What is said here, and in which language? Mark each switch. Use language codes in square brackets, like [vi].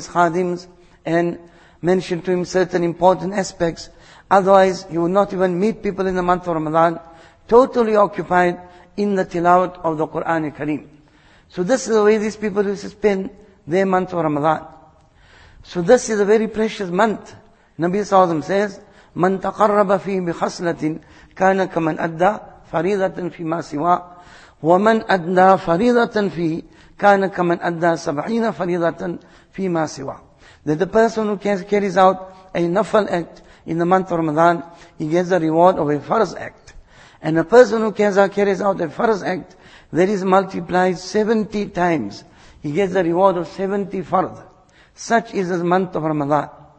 [en] Khadims and mention to him certain important aspects. Otherwise, he would not even meet people in the month of Ramadan, totally occupied in the tilawat of the Qur'an al-Kareem. So this is the way these people used to spend their month of Ramadan. So this is a very precious month. Nabi Sallallahu Alaihi Wasallam says, [ar] مَنْ تَقَرَّبَ فِيهِ بِخَصْلَةٍ كَانَ كَمَنْ أَدَّى فَرِيضَةً فِي مَا سِوَى وَمَنْ أَدَّى فَرِيضَةً فِي كَانَ كَمَنْ أَدَّى سَبْعِينَ فَرِيضَةً فِي مَا سِوَى. [en] That the person who carries out a nafal act in the month of Ramadan, he gets the reward of a farz act. And a person who carries out a farz act, that is multiplied 70 times. He gets the reward of 70 farz. Such is the month of Ramadan.